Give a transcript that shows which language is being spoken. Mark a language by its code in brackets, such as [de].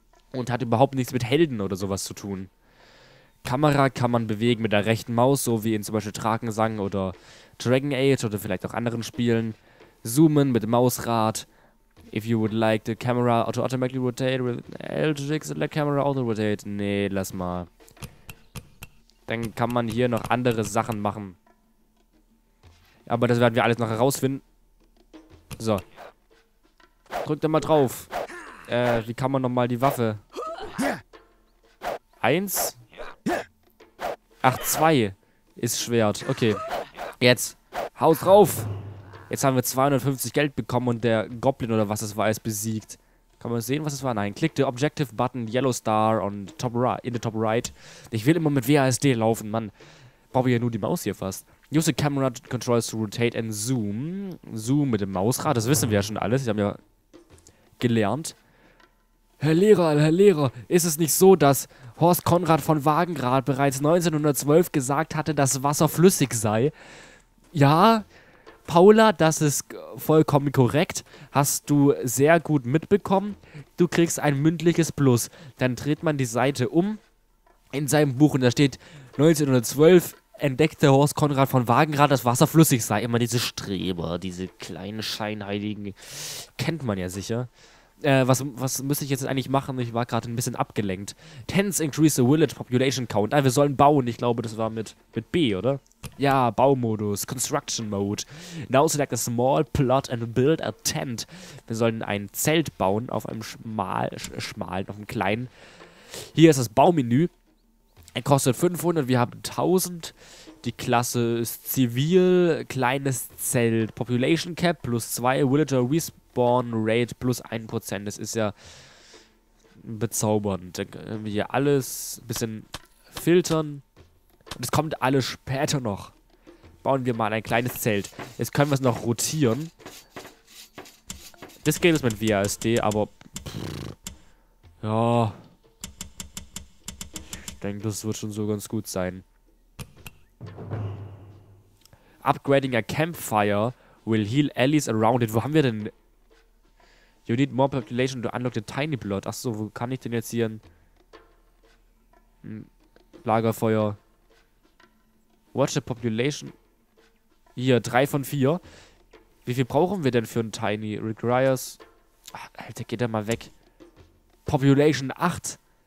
[de] Und hat überhaupt nichts mit Helden oder sowas zu tun. Kamera kann man bewegen mit der rechten Maus, so wie in zum Beispiel Drakensang oder Dragon Age oder vielleicht auch anderen Spielen. Zoomen mit Mausrad. [en] If you would like the camera to automatically rotate with L2X, let camera auto rotate. [de] Nee, lass mal. Dann kann man hier noch andere Sachen machen. Aber das werden wir alles noch herausfinden. So. Drück da mal drauf. Wie kann man nochmal die Waffe? Eins? Ach, zwei ist Schwert. Okay. Jetzt. Hau drauf! Jetzt haben wir 250 Geld bekommen und der Goblin oder was das war, ist besiegt. Kann man sehen, was das war? Nein. [en] Klick the Objective Button, Yellow Star on top right, in the top right. [de] Ich will immer mit WASD laufen, Mann. Brauche ich ja nur die Maus hier fast. [en] Use the camera controls to rotate and zoom. [de] Zoom mit dem Mausrad, das wissen wir ja schon alles. Ich habe ja gelernt. Herr Lehrer, ist es nicht so, dass Horst Konrad von Wagenrad bereits 1912 gesagt hatte, dass Wasser flüssig sei? Ja, Paula, das ist vollkommen korrekt. Hast du sehr gut mitbekommen. Du kriegst ein mündliches Plus. Dann dreht man die Seite um in seinem Buch und da steht 1912 entdeckte Horst Konrad von Wagenrad, dass Wasser flüssig sei. Immer diese Streber, diese kleinen Scheinheiligen. Kennt man ja sicher. Was müsste ich jetzt eigentlich machen? Ich war gerade ein bisschen abgelenkt. [en] Tents increase the village population count. [de] Ah, wir sollen bauen. Ich glaube, das war mit B, oder? Ja, Baumodus. [en] Construction mode. Now select a small plot and build a tent. [de] Wir sollen ein Zelt bauen auf einem schmalen, auf einem kleinen. Hier ist das Baumenü. Er kostet 500, wir haben 1000. Die Klasse ist zivil. Kleines Zelt. [en] Population cap plus 2. Villager respawn. Born Rate plus 1%, [de] das ist ja bezaubernd. Da können wir hier alles ein bisschen filtern. Und es kommt alles später noch. Bauen wir mal ein kleines Zelt. Jetzt können wir es noch rotieren. Das geht jetzt mit WASD, aber... Pff, ja. Ich denke, das wird schon so ganz gut sein. [en] Upgrading a campfire will heal allies around it. [de] Wo haben wir denn... [en] You need more population to unlock the tiny plot. [de] Achso, wo kann ich denn jetzt hier ein Lagerfeuer? [en] Watch the population. [de] Hier, 3 von 4. Wie viel brauchen wir denn für ein tiny? Requires. Ach, Alter, geht er mal weg. Population 8.